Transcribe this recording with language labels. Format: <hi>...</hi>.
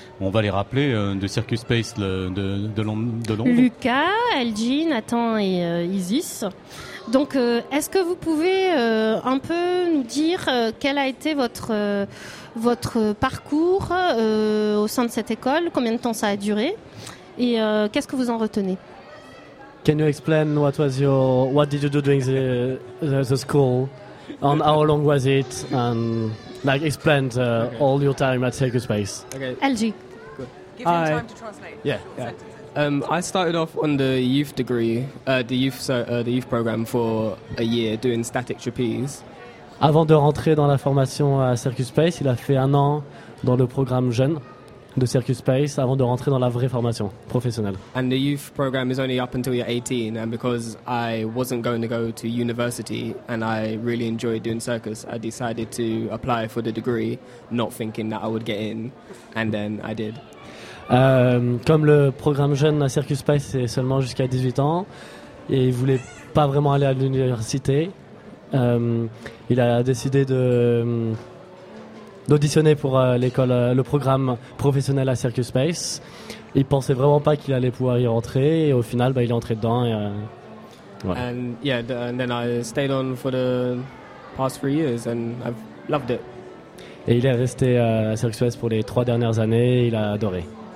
<fr>On va les rappeler de Circus Space de Londres. Lucas, Elgin, Nathan et Isis. Donc, est-ce que vous pouvez un peu nous dire quel a été votre parcours au sein de cette école? Combien de temps ça a duré? Et qu'est-ce que vous en retenez?</fr> <en>Can you explain what did you do during the school? And how long was it? And like, explain all your time at Circus Space. Okay. LG. Good. Give him time to translate. Yeah. Yeah. I started off on the youth degree, the youth program for a year, doing static trapeze.</en> <fr>Avant de rentrer dans la formation à Circus Space, il a fait un an dans le programme jeune de Circus Space avant de rentrer dans la vraie formation professionnelle.</fr> <en>And the youth program is only up until you're 18, and because I wasn't going to go to university and I really enjoyed doing circus, I decided to apply for the degree, not thinking that I would get in, and then I did.</en> <fr>Comme le programme jeune à Circus Space est seulement jusqu'à 18 ans et il voulait pas vraiment aller à l'université, il a décidé d'auditionner pour l'école, le programme professionnel à Circus Space. Il pensait vraiment pas qu'il allait pouvoir y rentrer et au final bah, il est entré dedans et voilà.</fr> <en>And yeah, and then I stayed on for the past 3 years and I've loved it.</en> <fr>Et il est resté à Circus Space pour les 3 dernières années, il a adoré.</fr>